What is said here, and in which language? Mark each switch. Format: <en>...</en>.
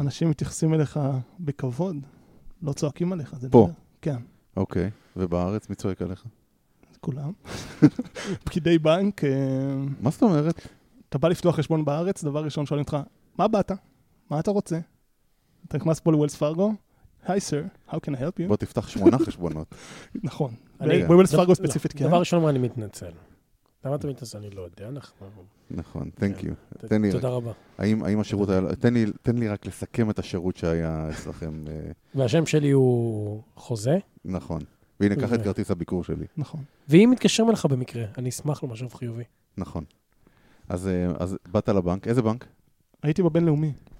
<he>אנשים מתייחסים אליך בכבוד, לא צועקים עליך. פה? כן. אוקיי, ובארץ מי צועק עליך? כולם. פקידי בנק. מה זאת אומרת? אתה בא לפתוח חשבון בארץ, דבר ראשון שואלים אותך, מה באת? מה אתה רוצה? אתה נכנס פה לווילס פארגו? היי סר,</he> <en>how can I help you?</en> <he>בוא תפתח 8 חשבונות. נכון. ווילס פארגו ספציפית, כן. דבר ראשון מה אני מתנצל. למה אתה מתנצל? אני לא יודע, אנחנו... נכון,</he> <en>thank you.</en> <he>תן לי רק... תודה רבה. האם השירות היה... תן לי רק לסכם את השירות שהיה אצלכם. והשם שלי הוא חוזה? נכון. והנה, קח את כרטיס הביקור שלי. נכון. ואם מתקשרים אליך במקרה, אני אשמח למשוב חיובי. נכון. אז באת לבנק, איזה בנק? הייתי בבינלאומי.</he>